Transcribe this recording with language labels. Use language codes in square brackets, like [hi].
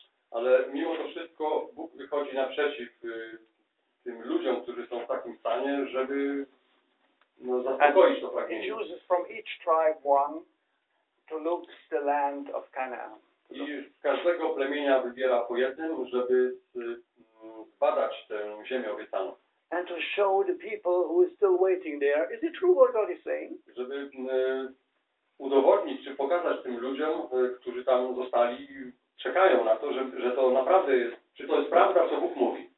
[pl] Ale mimo to wszystko Bóg wychodzi naprzeciw tym ludziom, którzy są w takim stanie, żeby zaspokoić to pragnienie. [en] He chooses from each tribe one to look the land of Canaan. [pl] I z każdego plemienia wybiera po jednym, żeby zbadać tę ziemię obiecaną. [en] And to show the people who is still waiting there, is it true what God is saying? [pl] Żeby udowodnić, czy pokazać tym ludziom, którzy tam zostali, czekają na to, że to naprawdę jest, czy to jest prawda, co Bóg mówi.